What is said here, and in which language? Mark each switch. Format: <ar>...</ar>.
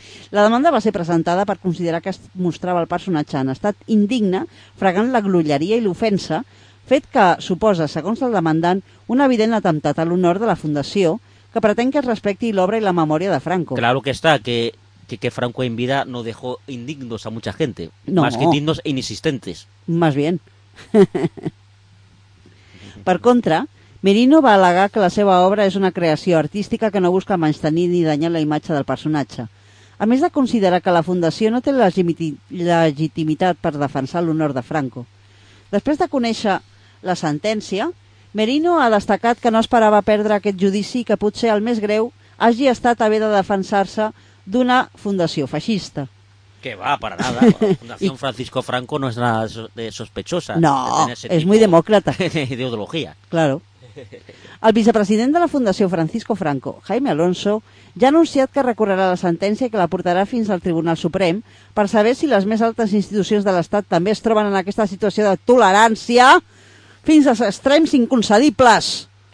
<ca>La demanda va ser presentada per considerar que es mostrava el personatge en estat indigne, fregant la glulleria i l'ofensa, fet que suposa, segons el demandant, un evident atemptat a l'honor de la Fundació, que pretén que es respecti l'obra i la memòria de Franco.</ca> <es>Claro que está, que Franco en vida no dejó indignos a mucha gente. No. Más que indignos e inexistentes. Más bien.</es> <ca>Per contra, Merino va al·legar que la seva obra és una creació artística que no busca menystenir ni danyar la imatge del personatge. A més de considerar que la Fundació no té la legitimitat per defensar l'honor de Franco. Després de conèixer la sentència, Merino ha destacat que no esperava perdre aquest judici i que potser el més greu hagi estat haver de defensar-se d'una fundació feixista.</ca> <es>Que va, para nada. La Fundación Francisco Franco no es nada sospechosa. No, es muy demócrata. Ideología. Claro.</es> <ca>El vicepresident de la Fundació Francisco Franco, Jaime Alonso, ja ha anunciat que recorrerà la sentència i que la portarà fins al Tribunal Suprem per saber si les més altes institucions de l'Estat també es troben en aquesta situació de tolerància fins als extrems inconcedibles.</ca>